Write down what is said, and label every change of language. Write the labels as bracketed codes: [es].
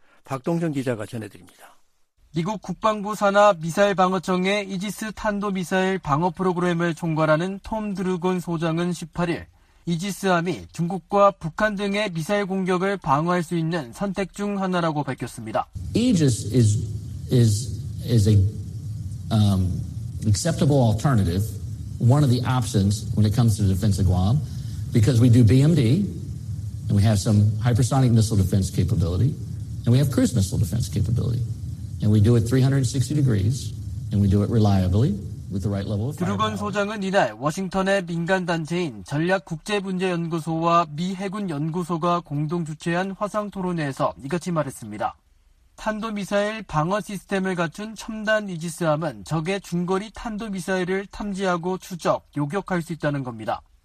[ko] 박동정 기자가 전해드립니다. 미국 국방부 산하 미사일 방어청의 이지스 탄도미사일 방어 프로그램을 총괄하는 톰 드루곤 소장은 18일 이지스함이 중국과 북한 등의 미사일 공격을 방어할 수 있는 선택 중 하나라고 밝혔습니다. [en] Aegis is a acceptable alternative, one of the options when it comes to the defense of Guam, because we do BMD and we have some hypersonic missile defense capability and we have cruise missile defense capability and we do it 360 degrees and we do it reliably. [ko] 드루건 소장은 이날 워싱턴의 민간단체인 전략국제문제연구소와 미 해군연구소가 공동 주최한 화상토론회에서 이같이 말했습니다. 탄도미사일 방어 시스템을 갖춘 첨단 이지스함은 적의 중거리 탄도미사일을 탐지하고 추적, 요격할 수 있다는 겁니다.